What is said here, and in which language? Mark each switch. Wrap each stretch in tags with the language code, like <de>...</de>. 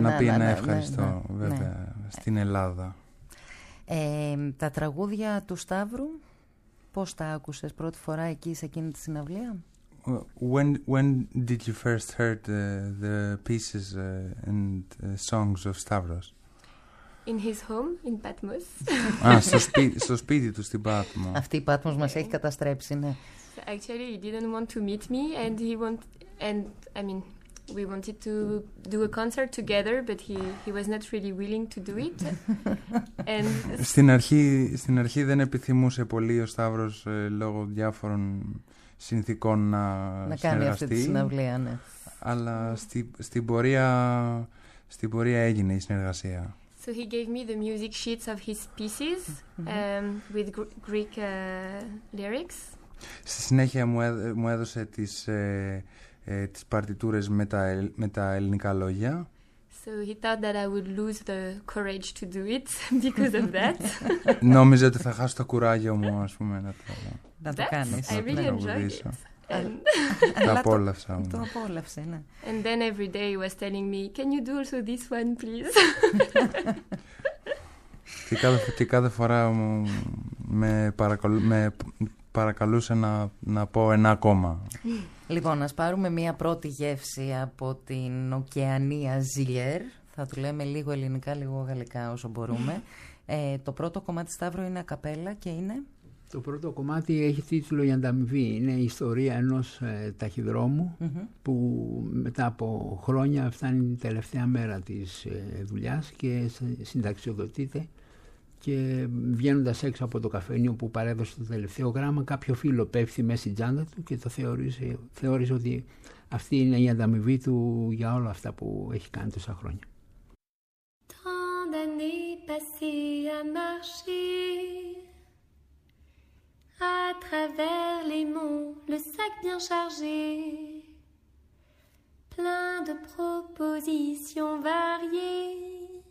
<el>να πει ένα ευχαριστώ, ναι, βέβαια, ναι, στην Ελλάδα. Τα τραγούδια του Σταύρου πώς τα άκουσες πρώτη φορά εκεί σε εκείνη τη συναυλία?</el> <en>When did you first heard the pieces and songs of Stavros? In his home, in Patmos.</en> <el>στο σπίτι του, στην Πάτμο. Αυτή η Πάτμος μας έχει καταστρέψει, ναι.</el> <en>Actually, he didn't want to meet me, and we wanted to do a concert together, but he was not really willing to do it.</en> <el>And στην αρχή δεν επιθυμούσε πολύ ο Σταύρος λόγω διάφορων συνθήκων να κάνει αυτή τη συναυλία, ναι. Αλλά στην πορεία έγινε η συνεργασία.</el> <en>So he gave me the music sheets of his pieces with Greek lyrics.</en> <el>Στη συνέχεια μου έδωσε τις παρτιτούρες με τα ελληνικά λόγια.</el> <en>So he thought that I would lose the courage to do it because of that.</en> <el>Νόμιζε ότι θα χάσω το κουράγιο μου, ας πούμε, να το κάνεις. I</el> <en>really enjoyed it.</en> <el>Το απόλαυσα. Το απόλαυσε, ναι.</el> <en>And then every day he was telling me, can you do also this one, please?</en> <el>Και κάθε φορά μου με παρακαλούσε να πω ένα ακόμα. Λοιπόν, ας πάρουμε μία πρώτη γεύση από την Οκεανία Ζιλιέρ. Θα του λέμε λίγο ελληνικά, λίγο γαλλικά όσο μπορούμε. Το πρώτο κομμάτι, Σταύρο, είναι ακαπέλα και είναι... Το πρώτο κομμάτι έχει τίτλο «Η ανταμοιβή». Είναι η ιστορία ενός ταχυδρόμου που μετά από χρόνια φτάνει την τελευταία μέρα της δουλειάς και συνταξιοδοτείται. Και βγαίνοντας έξω από το καφενείο που παρέδωσε το τελευταίο γράμμα, κάποιο φίλο πέφτει μέσα στην τσάντα του και το θεώρησε ότι αυτή είναι η ανταμοιβή του για όλα αυτά που έχει κάνει τόσα χρόνια.</el> <fr>Tant d'années passées à marcher à travers les monts, le sac bien chargé, plein de propositions variées.</fr>